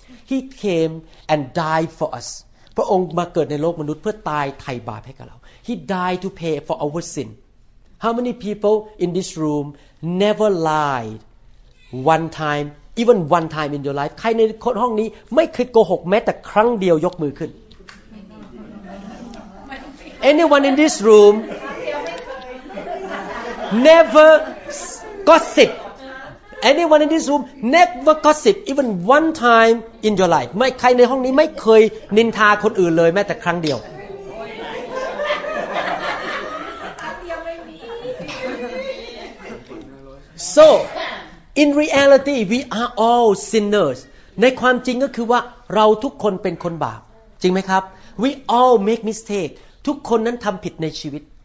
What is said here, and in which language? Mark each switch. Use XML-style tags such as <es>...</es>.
<en>He came and died for us</en> <th>พระองค์มาเกิดในโลกมนุษย์เพื่อตายไถ่บาปให้กับเรา</th> <en>He died to pay for our sin How many people in this room never lied one time even one time in your life</en> <th>ใครในห้องนี้ไม่เคยโกหกแม้แต่ครั้งเดียวยกมือขึ้น</th> <en>Anyone in this room never gossip. Anyone in this room never gossip even one time in your life.</en> <th>ไม่ใครในห้องนี้ไม่เคยนินทาคนอื่นเลยแม้แต่ครั้งเดียว</th> <en>So in reality we are all sinners.</en> <th>ในความจริงก็คือว่าเราทุกคนเป็นคนบาปจริงไหมครับ</th> <en>We all make mistakes</en> <th>ทุกคนนั้นทำผิดในชีวิต</th>